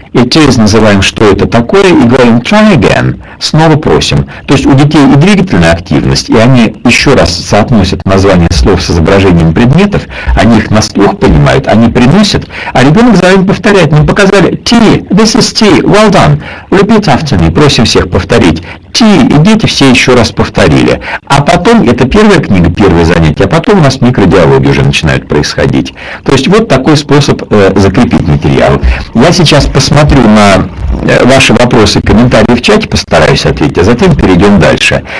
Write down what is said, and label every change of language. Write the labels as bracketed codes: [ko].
[ru] Через называем, что это такое, и говорим [en] «try again», [ru] снова просим. То есть у детей и двигательная активность, и они еще раз соотносят название слов с изображением предметов, они их на слух понимают, они приносят, а ребенок за ним повторяет. Мы показали «tea», [en] «this is tea», «well done», «repeat after me», [ru] просим всех повторить. «Tea», и дети все еще раз повторили. А потом, это первая книга, первое занятие, а потом у нас микродиалоги уже начинают происходить. То есть вот такой способ закрепить материал. Я сейчас посмотрю на ваши вопросы и комментарии в чате, постараюсь ответить, а затем перейдем дальше.